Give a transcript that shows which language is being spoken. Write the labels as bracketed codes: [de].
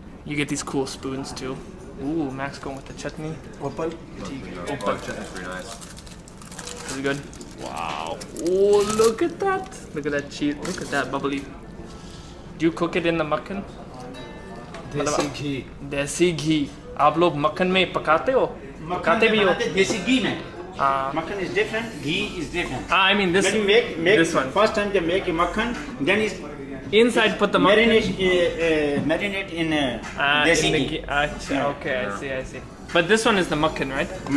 [en] You get these cool spoons too. Ooh, Max going with the chutney. Opal. Opal chutney's pretty nice. Is it good? Wow. Oh, look at that. Look at that cheese. Look at that bubbly. Do you cook it in the makkhan? Desi ghee. [ur] دیسی گھی۔ آپ لوگ مکھن میں پکاتے ہو؟ [en] Makkhan is desi ghee mein. Makkhan is different, ghee is different. I mean this, when you make this one. First time you make a makkhan, then it's inside, put the marinade. Marinate in desi ghee. Okay, I see. But this one is the mukkin, right?